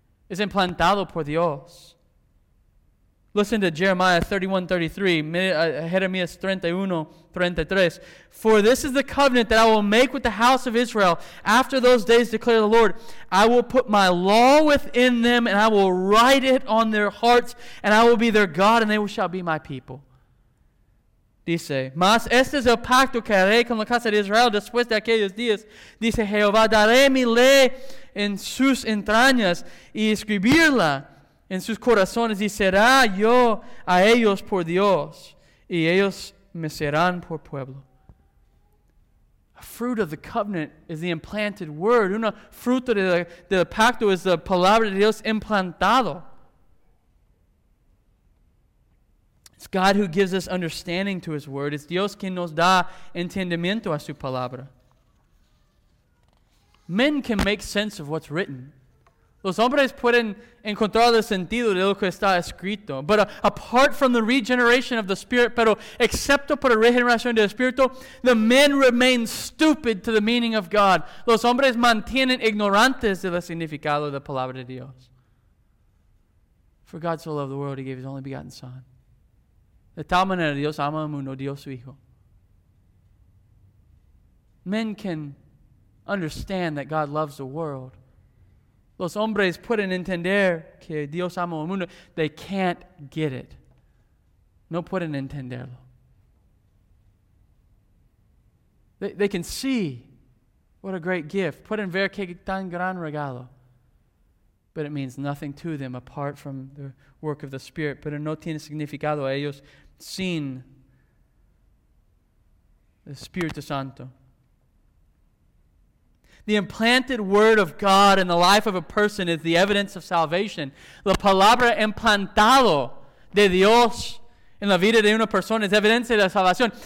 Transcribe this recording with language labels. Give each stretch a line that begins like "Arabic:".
Spanish: Es implantado por Dios.
English: Listen to Jeremiah 31:33,
Spanish: Jeremías 31:33.
English: For this is the covenant that I will make with the house of Israel after those days, declare the Lord. I will put my law within them, and I will write it on their hearts, and I will be their God, and they shall be my people.
Spanish: Dice, mas este es el pacto que haré con la casa de Israel después de aquellos días. Dice Jehová, daré mi ley en sus entrañas y escribirla en sus corazones. Y será yo a ellos por Dios y ellos me serán por pueblo.
English: A fruit of the covenant is the implanted word.
Spanish: Una fruto del pacto
English: is the
Spanish: palabra de Dios implantado.
English: It's God who gives us understanding to His Word.
Spanish: It's Dios quien nos da entendimiento a su palabra.
English: Men can make sense of what's written.
Spanish: Los hombres pueden encontrar el sentido de lo que está escrito.
English: But apart from the regeneration of the Spirit,
Spanish: pero excepto por la regeneración del Espíritu,
English: the men remain stupid to the meaning of God.
Spanish: Los hombres mantienen ignorantes del significado de la palabra de Dios.
English: For God so loved the world, He gave His only begotten Son.
Spanish: De tal manera Dios ama al mundo, Dios su Hijo.
English: Men can understand that God loves the world.
Spanish: Los hombres pueden entender que Dios ama al mundo.
English: They can't get it.
Spanish: No pueden entenderlo.
English: They can see what a great gift.
Spanish: Pueden ver que tan gran regalo.
English: But it means nothing to them apart from the work of the Spirit.
Spanish: Pero no tiene significado a ellos. Sin the Espíritu Santo.
English: The implanted word of God in the life of a person is the evidence of salvation.
Spanish: La palabra implantado de Dios en la vida de una persona es evidencia de salvación.